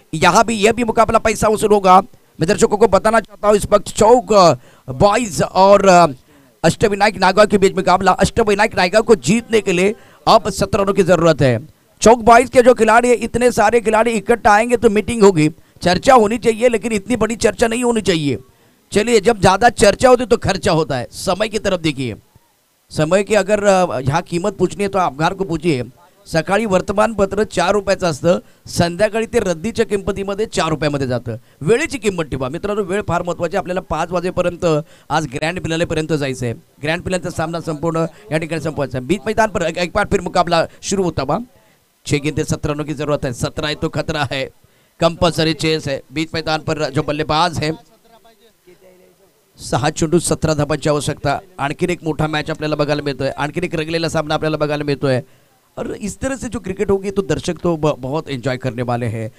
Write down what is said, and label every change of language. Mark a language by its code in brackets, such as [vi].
[hi] यहाँ भी यह भी मुकाबला पैसा वसूल होगा। मैं दर्शकों को बताना चाहता हूँ इस वक्त चौक बॉयज और अष्टविनायक नागा के बीच मुकाबला, अष्टविनायक नागा को जीतने के लिए अब 17 रनों की जरूरत है। चौक बॉयज के जो खिलाड़ी है, इतने सारे खिलाड़ी इकट्ठा आएंगे तो मीटिंग होगी, चर्चा होनी चाहिए, लेकिन इतनी बड़ी चर्चा नहीं होनी चाहिए। चलिए जब ज़्यादा चर्चा होती तो खर्चा होता है, समय की तरफ देखिए, समय की अगर यहाँ कीमत पूछनी है तो आपघार को पूछिए। [mr] सकाळी वर्तमानपत्र 4 रुपयाचं असतं, संध्याकाळी ते रद्दीच्या किंमतीमध्ये 4 रुपयामध्ये जातं, वेळेची किंमत ठेवा मित्रांनो, वेळ फार महत्त्वाची आहे। आपल्याला 5 वाजेपर्यंत आज ग्रँड फिनालेपर्यंत जायचं आहे, ग्रँड फिनालेचा सामना संपूर्ण या ठिकाणी संपवायचा आहे। [hi] बीच मैदान पर एक बार फिर मुकाबला शुरू होता बा, 6 गेंदे 17 रनों की जरूरत है, 17 है तो खतरा है, कंपल्सरी चेस है। बीच मैदान पर जो बल्लेबाज है, [mr] 6 चेंडू 17 धावांची आवश्यकता, आणखीन एक मोठा मॅच आपल्याला बघायला मिळतोय, आणखीन एक रंगलेला सामना आपल्याला बघायला मिळतोय [hi] और इस तरह से जो क्रिकेट होगी तो दर्शक तो बहुत एंजॉय करने वाले हैं।